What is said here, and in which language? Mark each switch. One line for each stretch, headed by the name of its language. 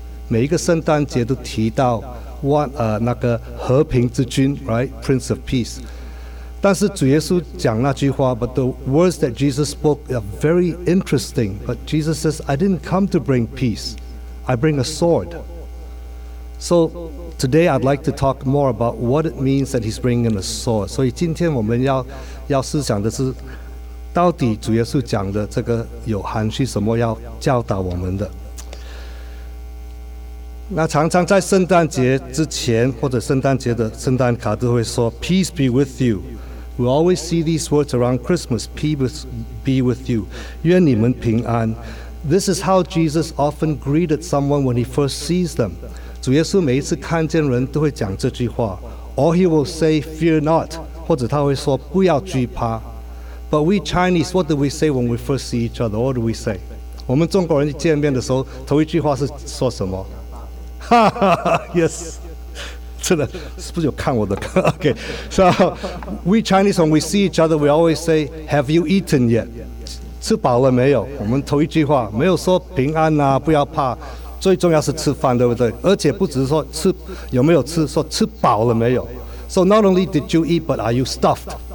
Chinese: 每一个圣诞节都提到那个和平之君
English: right? Prince of Peace.
Chinese: 但是主耶稣讲那句话
English: but the words that Jesus spoke are very interesting. But Jesus says, I didn't come to bring peace. I bring a sword. So today I'd like to talk more about what it means that he's bringing a sword.
Chinese: 所以今天我们要思想的是到底主耶稣讲的这个有含蓄什么要教导我们的。那常常在圣诞节之前或者圣诞节的圣诞卡都会说
English: Peace be with you. We always see these words around Christmas, peace be with you.
Chinese: 愿你们平安。
English: This is how Jesus often greeted someone when he first sees them.
Chinese: 主耶稣每一次看见人都会讲这句话。
English: Or he will say, fear not,
Chinese: 或者他会说不要惧怕。
English: But we Chinese, what do we say when we first see each other? What do we say?
Chinese: 我们中国人见面的时候头一句话是说什么？哈哈 yes. 真的是不是有看我的
English: OK So we Chinese when we see each other We always say Have you eaten yet?
Chinese: 吃饱了没有我们头一句话没有说平安啊不要怕最重要是吃饭对不对而且不只是说吃有没有吃说吃饱了没有
English: So not only did you eat But are you stuffed?